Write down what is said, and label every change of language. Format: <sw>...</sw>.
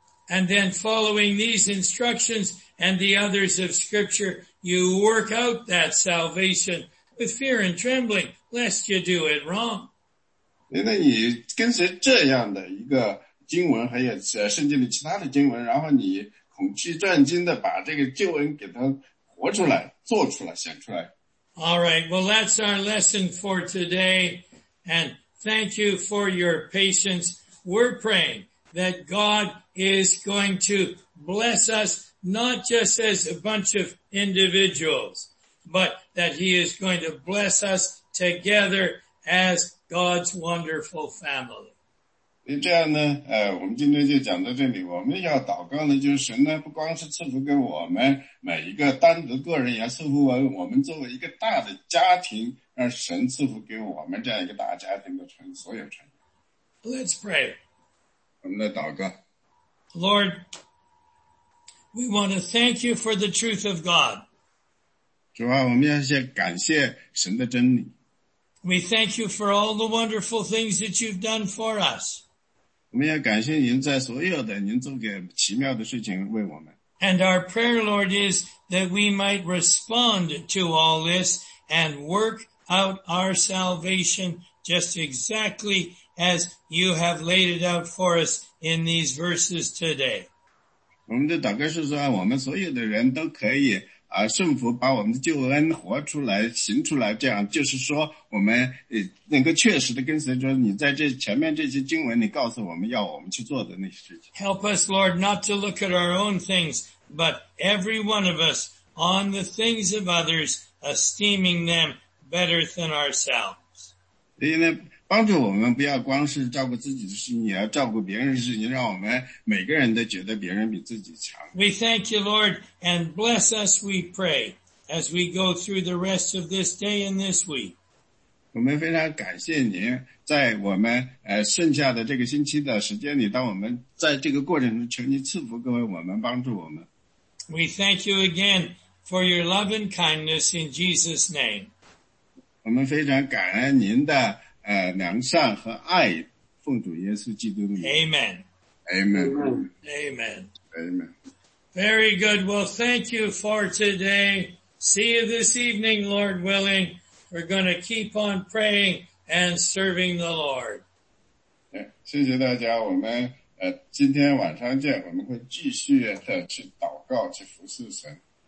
<en>And then following these instructions and the others of scripture, you work out that salvation with fear and trembling, lest you do it wrong.</en> <zh>那你跟随这样的一个经文，还有圣经的其他的经文，然后你恐惧战惊的把这个救恩给它活出来，做出来，显出来。</zh> <en>All right, well, that's our lesson for today. And thank you for your patience. We're praying that God is going to bless us, not just as a bunch of individuals, but that he is going to bless us together as God's wonderful family.</en> <zh>这样呢，我们今天就讲到这里。我们要祷告呢，就是神呢，不光是赐福给我们每一个单独个人，也赐福我们作为一个大的家庭，让神赐福给我们这样一个大家庭的成所有成员。</zh> <en>Let's pray.</en> <zh>我们来祷告。</zh> <en>Lord, we want to thank you for the truth of God.</en> <zh>主啊，我们要先感谢神的真理。</zh> <en>We thank you for all the wonderful things that you've done for us.</en> <zh>我们要感谢您在所有的您做给奇妙的事情为我们。</zh> <en>And our prayer, Lord, is that we might respond to all this and work out our salvation just exactly as you have laid it out for us in these verses today.</en> <zh>我们的祷告是说，我们所有的人都可以顺服，把我们的救恩活出来，行出来，这样就是说，我们能够确实的跟随着你，在这前面这些经文，你告诉我们要我们去做的那些事情。</zh> <en>Help us, Lord, not to look at our own things, but every one of us on the things of others, esteeming them better than ourselves.</en> <zh>所以呢，帮助我们不要光是照顾自己的事情，也要照顾别人的事情，让我们每个人都觉得别人比自己强。</zh> <en>We thank you, Lord, and bless us, we pray, as we go through the rest of this day and this week.</en> <zh>我们非常感谢您，在我们剩下的这个星期的时间里，当我们在这个过程中，求您赐福各位我们，帮助我们。</zh> <en>We thank you again for your love and kindness in Jesus' name.</en> <zh>我们非常感恩您的良善和爱，奉主耶稣基督的名。</zh> <en>Amen. Amen. Amen. Amen. Very good. Well, thank you for today. See you this evening, Lord willing. We're going to keep on praying and serving the Lord.</en> <zh>谢谢大家，我们今天晚上见。我们会继续的去祷告，去服侍神。</zh>